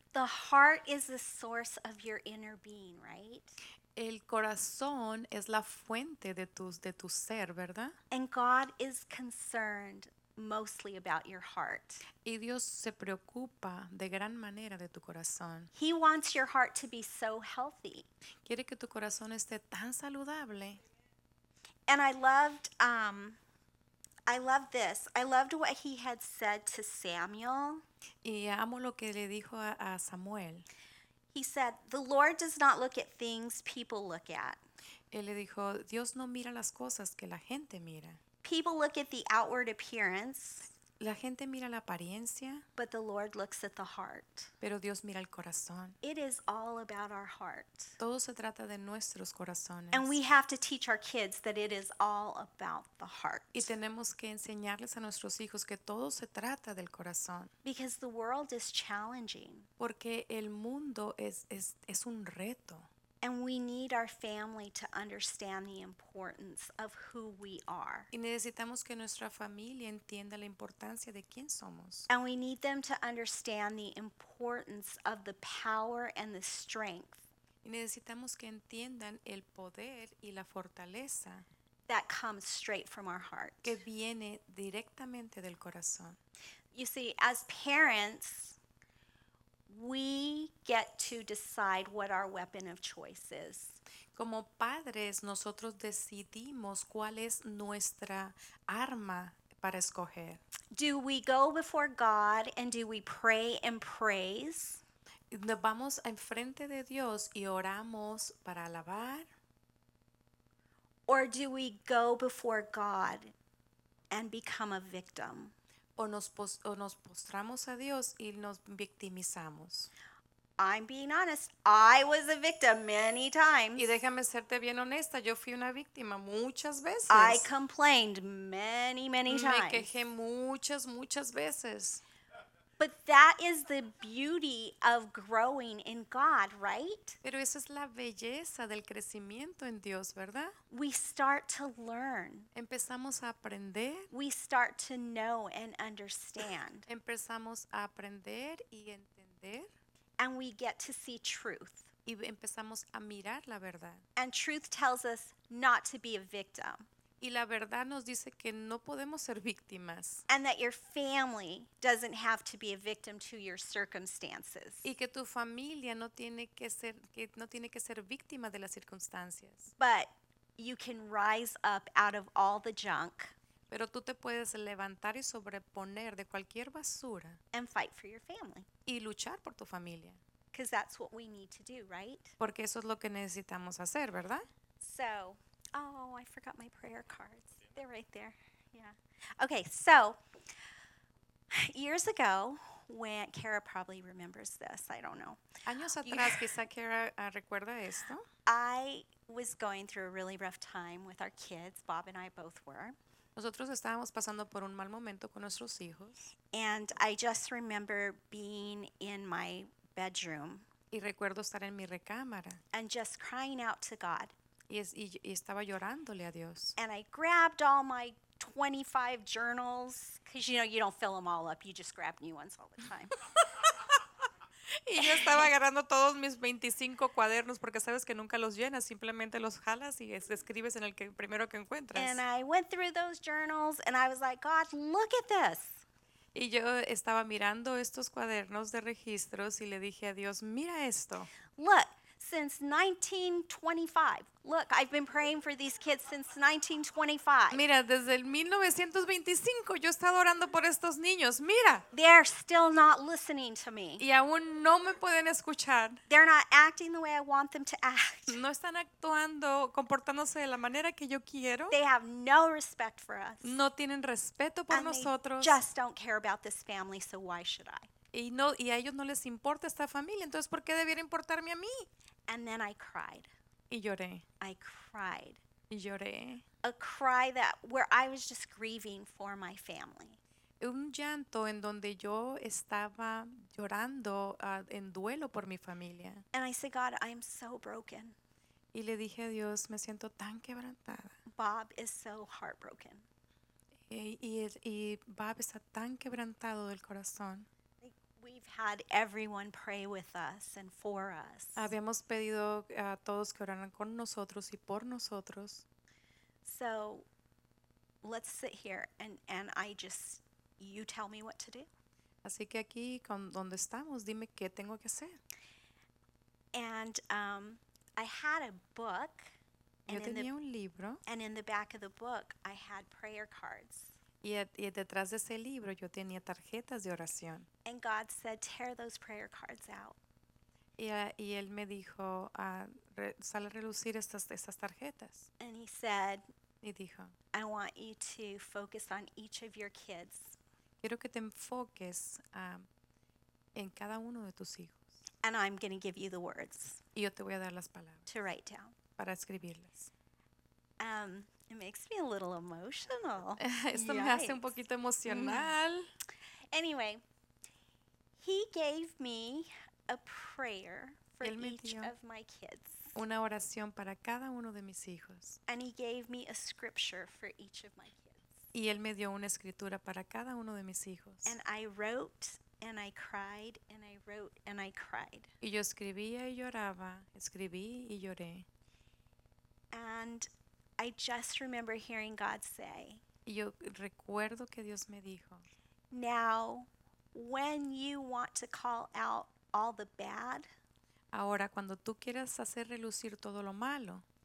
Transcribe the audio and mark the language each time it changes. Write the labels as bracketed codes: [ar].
[en] The heart is the source of your inner being, right? [es] El corazón es la fuente de tu ser, ¿verdad? [en] And God is concerned mostly about your heart. [es] Y Dios se preocupa de gran manera de tu corazón. [en] He wants your heart to be so healthy. [es] Quiere que tu corazón esté tan saludable. [en] And I loved what he had said to Samuel. [es] Y amo lo que le dijo a Samuel. [en] He said, "The Lord does not look at things people look at." [es] Él le dijo, "Dios no mira las cosas que la gente mira." [en] People look at the outward appearance. [es] La gente mira la apariencia. [en] But the Lord looks at the heart. [es] Pero Dios mira el corazón. [en] It is all about our heart. [es] Todo se trata de nuestros corazones. [en] And we have to teach our kids that it is all about the heart. [es] Y tenemos que enseñarles a nuestros hijos que todo se trata del corazón. [en] Because the world is challenging. [es] Porque el mundo es un reto. [en] And we need our family to understand the importance of who we are. [es] Y necesitamos que nuestra familia entienda la importancia de quién somos. [en] And we need them to understand the importance of the power and the strength. [es] Y necesitamos que entiendan el poder y la fortaleza [en] that comes straight from our heart. [es] Que viene directamente del corazón. [en] You see, as parents, we get to decide what our weapon of choice is. [es] Como padres, nosotros decidimos cuál es nuestra arma para escoger. [en] Do we go before God and do we pray and praise? [es] Vamos enfrente de Dios y oramos para alabar. [en] Or do we go before God and become a victim? [es] O nos postramos a Dios y nos victimizamos. [en] I'm being honest. I was a victim many times. [es] Y déjame serte bien honesta. Yo fui una víctima muchas veces. [en] I complained many, many times. [es] Me quejé muchas, muchas veces. [en] But that is the beauty of growing in God, right? [es] Pero esa es la belleza del crecimiento en Dios, ¿verdad? [en] We start to learn. [es] Empezamos a aprender. [en] We start to know and understand. [es] Empezamos a aprender y entender. [en] And we get to see truth. [es] Y empezamos a mirar la verdad. [en] And truth tells us not to be a victim. [es] Y la verdad nos dice que no podemos ser víctimas. [en] And that your family doesn't have to be a victim to your circumstances. [es] Y que tu familia no tiene que ser víctima de las circunstancias. [en] But you can rise up out of all the junk. [es] Pero tú te puedes levantar y sobreponer de cualquier basura. [en] And fight for your family. [es] Y luchar por tu familia. [en] Because that's what we need to do, right? [es] Porque eso es lo que necesitamos hacer, ¿verdad? [en] So, oh, I forgot my prayer cards. They're right there. Yeah. Okay, so years ago, when Kara probably remembers this, I don't know. [es] Años atrás, quizá Kara recuerda esto. [en] I was going through a really rough time with our kids. Bob and I both were. [es] Nosotros estábamos pasando por un mal momento con nuestros hijos. [en] And I just remember being in my bedroom. [es] Y recuerdo estar en mi recámara. [en] And just crying out to God. [es] Y estaba llorándole a Dios. [en] And I grabbed all my 25 journals, because you know you don't fill them all up, you just grab new ones all the time. [es] Y yo estaba agarrando todos mis 25 cuadernos porque sabes que nunca los llenas, simplemente los jalas y escribes en el que primero que encuentras. [en] And I went through those journals and I was like, God, look at this. [es] Y yo estaba mirando estos cuadernos de registros y le dije a Dios, mira esto. [en] Look, since 1925. Look, I've been praying for these kids since 1925. [es] Mira, desde el 1925 yo he estado orando por estos niños. Mira. [en] They're still not listening to me. [es] Y aún no me pueden escuchar. [en] They're not acting the way I want them to act. [es] No están actuando, comportándose de la manera que yo quiero. [en] They have no respect for us. [es] No tienen respeto por nosotros. [en] They just don't care about this family, so why should I? [es] Y no, y a ellos no les importa esta familia, entonces ¿por qué debiera importarme a mí? [en] And then I cried. [es] Y lloré. [en] I cried. [es] Y lloré. [en] A cry that where I was just grieving for my family. [es] Un llanto en donde yo estaba llorando en duelo por mi familia. [en] And I said, God, I'm so broken. [es] Y le dije a Dios, me siento tan quebrantada. [en] Bob is so heartbroken. [es] Y Bob está tan quebrantado del corazón. [en] We've had everyone pray with us and for us. [es] Habíamos pedido a todos que oraran con nosotros y por nosotros. [en] So, let's sit here and I just, you tell me what to do. [es] Así que aquí, con donde estamos, dime qué tengo que hacer. [en] And I had a book. [es] Yo tenía un libro. [en] And in the back of the book, I had prayer cards. [es] Y detrás de ese libro yo tenía tarjetas de oración. [en] And God said, tear those prayer cards out. [es] Y él me dijo, sale a relucir estas tarjetas. [en] And he said, [es] y dijo, [en] I want you to focus on each of your kids. [es] Quiero que te enfoques en cada uno de tus hijos. [en] And I'm going to give you the words. [es] Y yo te voy a dar las palabras. [en] To write down. [es] Para escribirlas. [en] It makes me a little emotional. [es] Esto me hace un poquito emocional. [en] Anyway, he gave me a prayer for each of my kids. [es] Una oración para cada uno de mis hijos. [en] And he gave me a scripture for each of my kids. [es] Y él me dio una escritura para cada uno de mis hijos. [en] And I wrote and I cried and I wrote and I cried. [es] Y yo escribía y lloraba, escribí y lloré. [en] And I just remember hearing God say, [es] yo recuerdo que Dios me dijo, [en] now, when you want to call out all the bad, [es] ahora, cuando tú quieras hacer relucir todo lo malo,